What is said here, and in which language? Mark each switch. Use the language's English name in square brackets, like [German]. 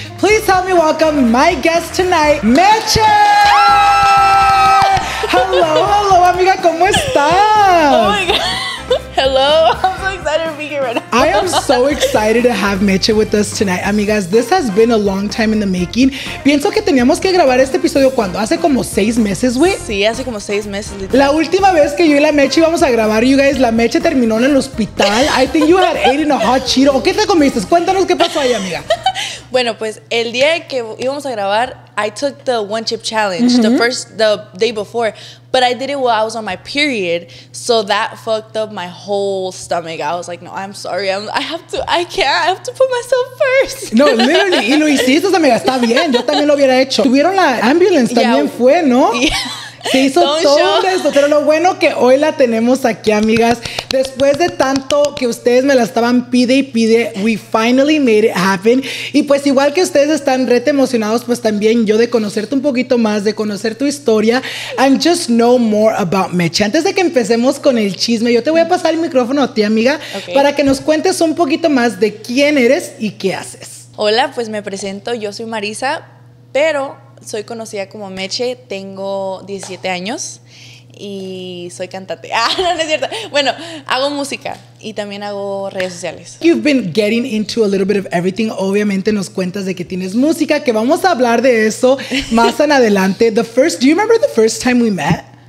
[English] Please help me welcome my guest tonight, Meche! Hello, hello, [Spanish] amiga, ¿cómo estás? [English] Oh my God. Hello. I am so excited to have Meche with us tonight. Amigas, this has been a long time in the making. [Spanish] Pienso que teníamos que grabar este episodio cuando hace como 6 meses, güey. Sí, hace como 6 meses. Literal. La última vez que yo y la Meche íbamos a grabar, [English] you guys, [Spanish] la Meche terminó en el hospital. [English] I think you had ate in a hot Cheeto. [Spanish] ¿Qué te comiste? Cuéntanos qué pasó ahí, amiga. Bueno, pues el día que íbamos a grabar, [English] I took the one chip challenge, [Spanish] mm-hmm. [English] The day before, but I did it while I was on my period, so that fucked up my whole stomach. I was like, no, I'm sorry, I have to put myself first. [Spanish] No, [English] literally, [Spanish] y lo hiciste, amiga, está bien, yo también lo hubiera hecho. Tuvieron la ambulance, también yeah. Fue, ¿no? [English] Yeah. [Spanish] Se hizo todo esto, pero lo bueno que hoy la tenemos aquí, amigas. Después de tanto que ustedes me la estaban pide y pide, [English] we finally made it happen. [Spanish] Y pues igual que ustedes están rete emocionados, pues también yo de conocerte un poquito más, de conocer tu historia, [English] and just know more about Meche. [Spanish] Antes de que empecemos con el chisme, yo te voy a pasar el micrófono a ti, amiga, okay, para que nos cuentes un poquito más de quién eres y qué haces. Hola, pues me presento, yo soy Marisa, pero soy conocida como Meche, tengo 17 años y soy cantante. Ah, no, no es cierto. Bueno, hago música y también hago redes sociales. [English] You've been getting into a little bit of everything. [Spanish] Obviamente nos cuentas de que tienes música, que vamos a hablar de eso más en adelante. [English] Do you remember the first time we met?